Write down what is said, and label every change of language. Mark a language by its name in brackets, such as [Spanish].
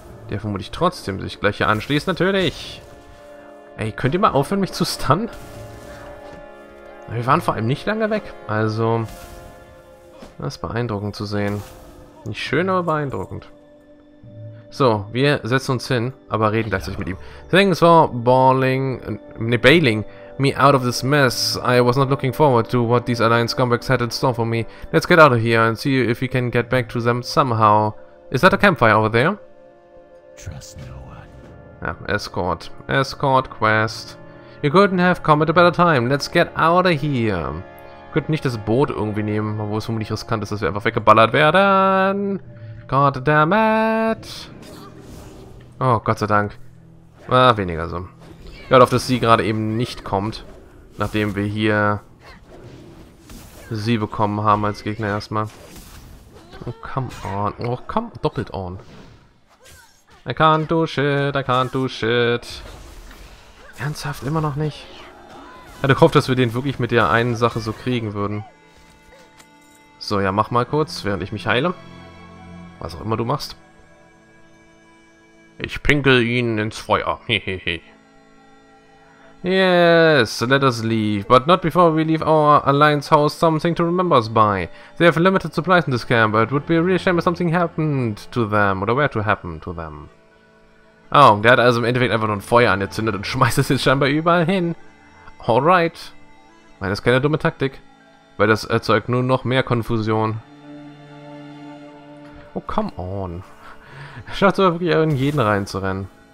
[German] Der vermutlich trotzdem sich gleich hier anschließt, natürlich. Ey, könnt ihr mal aufhören, mich zu stunnen? Wir waren vor allem nicht lange weg. Also, das ist beeindruckend zu sehen. Nicht schön, aber beeindruckend. So, wir setzen uns hin, aber reden gleichzeitig mit ihm. [English] Thanks for bailing me out of this mess. I was not looking forward to what these Alliance scumbags had in store for me. Let's get out of here and see if we can get back to them somehow. Is that a campfire over there? Trust no one. [German] Ja, Escort. Escort Quest. [English] You couldn't have come at a better time. Let's get out of here. [German] Wir könnten nicht das Boot irgendwie nehmen, wo es vermutlich riskant ist, dass wir einfach weggeballert werden. [English] God damn it. [German] Oh, Gott sei Dank. Ah, weniger so. Ja, auf, dass sie gerade eben nicht kommt. Nachdem wir hier sie bekommen haben als Gegner erstmal. [English] Oh, come on. Oh, come. [German] Doppelt [English] on. I can't do shit, I can't do shit. [German] Ernsthaft, immer noch nicht. Ich hatte gehofft, dass wir den wirklich mit der einen Sache so kriegen würden. So, ja, mach mal kurz, während ich mich heile. Was auch immer du machst. Ich pinkel ihn ins Feuer. Hehehe. [English] Yes, let us leave. But not before we leave our Alliance House something to remember us by. They have limited supplies in this camp, but it would be a real shame if something happened to them or were to happen to them. [German] Oh, der hat also im Endeffekt einfach nur ein Feuer angezündet und schmeißt es jetzt scheinbar überall hin. Alright. Weil das ist keine dumme Taktik. Weil das erzeugt nur noch mehr Konfusion. [English] Oh, come on. [German] Schaut sogar wirklich in jeden reinzurennen.